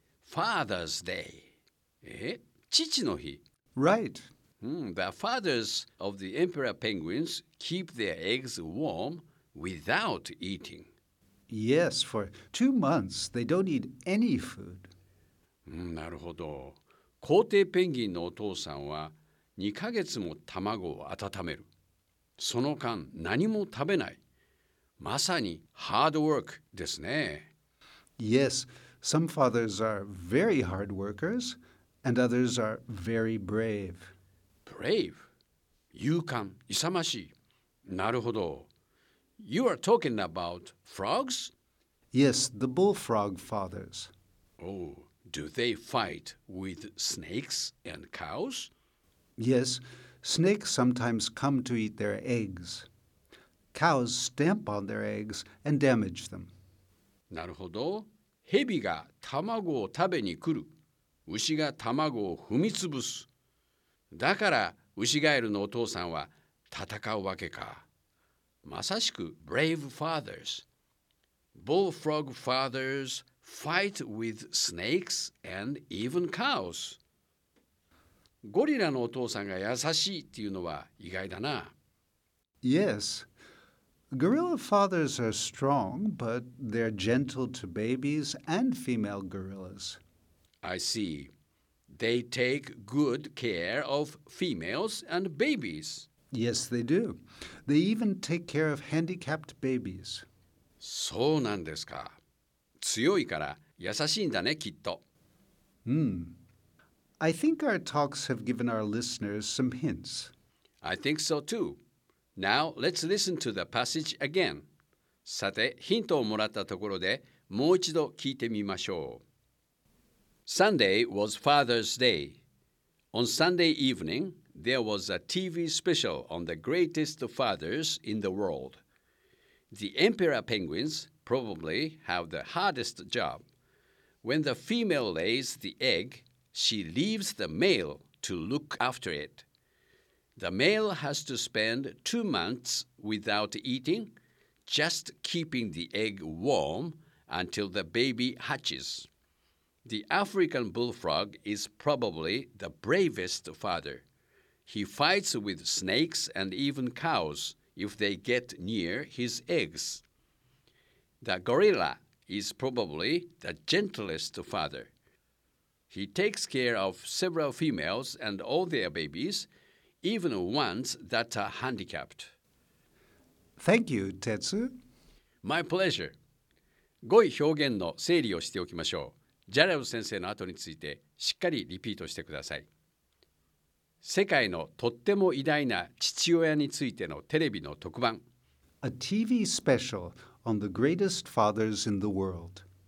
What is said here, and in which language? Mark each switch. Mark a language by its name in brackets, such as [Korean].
[English] Father's Day. 父の日? Right. The fathers of the emperor penguins keep their eggs warm. Without eating. Yes, for 2 months, they don't eat any food. [Japanese] なるほど。皇帝ペンギンのお父さんは2ヶ月も卵を温める。その間何も食べない。まさにハードワークですね。 [English] Yes, some fathers are very hard workers, and others are very brave. [Japanese] Brave? 勇敢、勇ましい。なるほど。 [English] You are talking about frogs? Yes, the bullfrog fathers. Oh, do they fight with snakes and cows? Yes, snakes sometimes come to eat their eggs. Cows stamp on their eggs and damage them. [Japanese] なるほど。ヘビが卵を食べに来る。牛が卵を踏みつぶす。だから牛ガエルのお父さんは戦うわけか。 [English] まさしく brave fathers. Bullfrog fathers fight with snakes and even cows. [Japanese] ゴリラのお父さんが優しいっていうのは意外だな。 [English] Yes. Gorilla fathers are strong, but they're gentle to babies and female gorillas. I see. They take good care of females and babies. Yes, they do. They even take care of handicapped babies. [Japanese] そうなんですか。強いから優しいんだね、きっと。 [English] I think our talks have given our listeners some hints. I think so too. Now, let's listen to the passage again. [Japanese] さて、ヒントをもらったところでもう一度聞いてみましょう。 [English] Sunday was Father's Day. On Sunday evening... There was a TV special on the greatest fathers in the world. The emperor penguins probably have the hardest job. When the female lays the egg, she leaves the male to look after it. The male has to spend 2 months without eating, just keeping the egg warm until the baby hatches. The African bullfrog is probably the bravest father. He fights with snakes and even cows if they get near his eggs. The gorilla is probably the gentlest father. He takes care of several females and all their babies, even ones that are handicapped. Thank you, Tetsu. My pleasure. [Japanese] 語彙表現の整理をしておきましょう。ジャラル先生の後についてしっかりリピートしてください。世界のとっても偉大な父親についてのテレビの特番。 [English] A TV special on the greatest fathers in the world.